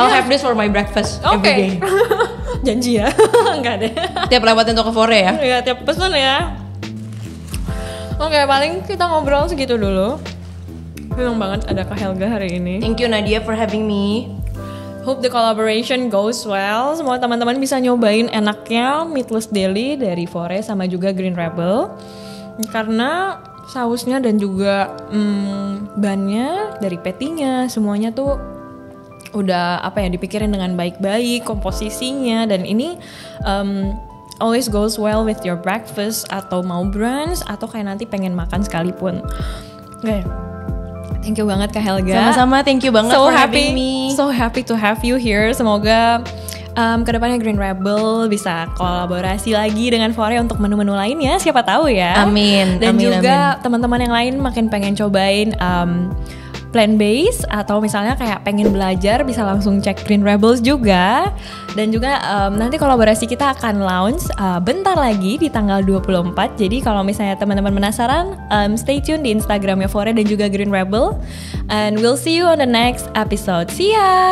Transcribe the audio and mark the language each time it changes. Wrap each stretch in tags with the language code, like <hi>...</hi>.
<en>I'll have this for my breakfast every day.</en> <id>Janji ya. Enggak deh. Tiap lewatin toko Fore ya. Iya, tiap pesan ya. Okay, paling kita ngobrol segitu dulu. Senang banget ada Kak Helga hari ini.</id> <en>Thank you Nadia for having me. Hope the collaboration goes well.</en> <id>Semoga teman-teman bisa nyobain enaknya Meatless Deli dari Fore sama juga Green Rebel. Karena sausnya dan juga bannya dari patty-nya semuanya tuh udah apa ya dipikirin dengan baik-baik komposisinya dan ini</id> <en>always goes well with your breakfast</en> <id>atau mau brunch atau kayak nanti pengen makan sekalipun.</id> <en>Okay. Thank you banget Kak Helga. Sama-sama, thank you banget for having me. So happy to have you here.</en> <id>Semoga kedepannya Green Rebel bisa kolaborasi lagi dengan Fore untuk menu-menu lainnya, siapa tahu ya. Amin. Dan amin, juga amin. Teman-teman yang lain makin pengen cobain plant based atau misalnya kayak pengen belajar bisa langsung cek Green Rebels juga. Dan juga nanti kolaborasi kita akan launch bentar lagi di tanggal 24. Jadi kalau misalnya teman-teman penasaran,</id> <en>stay tune</en> <id>di Instagramnya Fore dan juga Green Rebel.</id> <en>And we'll see you on the next episode. See ya.</en>